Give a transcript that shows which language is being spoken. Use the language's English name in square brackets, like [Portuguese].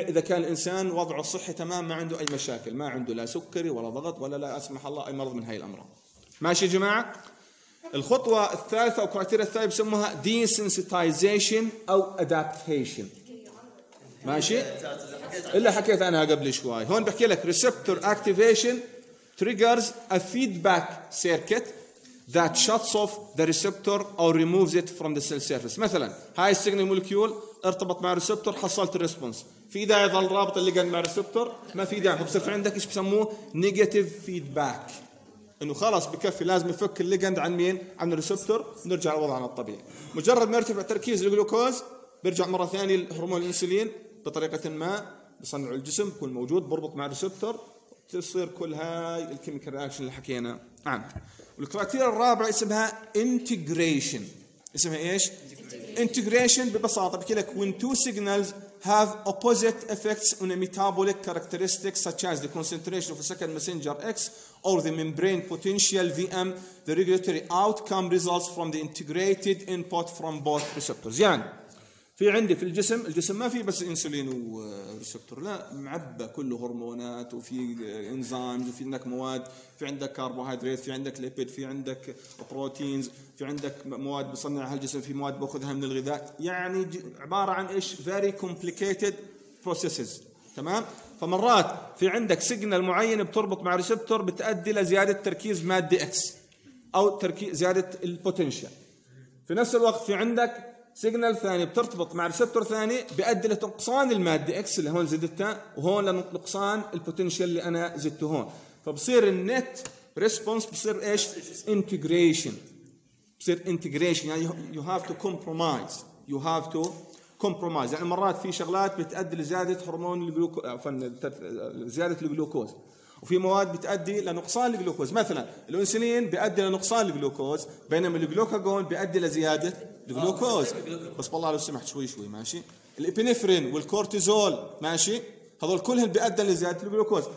[Arabic] اذا كان الانسان وضعه صحي تمام، ما عنده اي مشاكل، ما عنده لا سكري ولا ضغط ولا لا اسمح الله اي مرض من هاي الامراض. ماشي يا جماعه. الخطوه الثالثه او الكرايتيريا الثالثه بسموها دي سنسيتايزيشن او ادابتيشن. ماشي، اللي حكيت عنها قبل شوي. هون بحكي لك [English] Receptor activation triggers a feedback circuit that shuts off the receptor or removes it from the cell surface. [Arabic] مثلا هاي السيجنال مولكيول ارتبط مع ريسبتور، حصلت الريسبونس. في داعي ظل رابط اللي قال مع ريسبتور؟ ما في داعي. بصير في عندك ايش بسموه نيجاتيف فيدباك، انه خلاص بكفي لازم يفك الليجند عن مين؟ عن الريسبتور، نرجع لوضعنا الطبيعي. مجرد ما يرتفع تركيز الجلوكوز بيرجع مره ثانيه الهرمون الانسولين بطريقه ما بصنعه الجسم، بكون موجود بربط مع الريسبتور، تصير كل هاي الكيميكال رياكشن اللي حكينا عنها. والكرايتيريا الرابعة اسمها integration. اسمها إيش؟ [English] integration [Arabic] ببساطة بكلك [English] when two signals have opposite effects on a metabolic characteristics such as the concentration of a second messenger X or the membrane potential VM, the regulatory outcome results from the integrated input from both receptors. [Arabic] يعني في عندي في الجسم، الجسم ما فيه بس إنسولين وريسبتور، لا معبى كله هرمونات وفي إنزيمز وفي عندك مواد، في عندك كربوهيدرات، في عندك ليبيد، في عندك بروتينز، في عندك مواد بصنعها الجسم، في مواد بأخذها من الغذاء، يعني عبارة عن إيش [English] very complicated processes. [Arabic] تمام؟ فمرات في عندك سيجنال معين بتربط مع ريسبتور بتأدي لزيادة تركيز مادة إكس أو زيادة البوتنشال. في نفس الوقت في عندك سيجنال ثاني بترتبط مع ريسبتور ثاني بيؤدي لنقصان المادة إكس اللي هون زدتها وهون لنقصان البوتنشال اللي أنا زدته هون. فبصير النت ريسبونس بصير إيش إنتجريشن، بصير إنتجريشن. يعني [English] you have to compromise، you have to compromise. [Arabic] يعني مرات في شغلات بتؤدي لزيادة هرمون الجلوكوز، زيادة الجلوكوز، وفي مواد بتؤدي لنقصان الجلوكوز. مثلا الانسولين بيؤدي لنقصان الجلوكوز بينما الجلوكاجون بيؤدي لزيادة الجلوكوز. بس بالله لو سمحت شوي شوي ماشي. الإبينفرين والكورتيزول ماشي، هذول كلهم بيؤدي لزيادة الجلوكوز.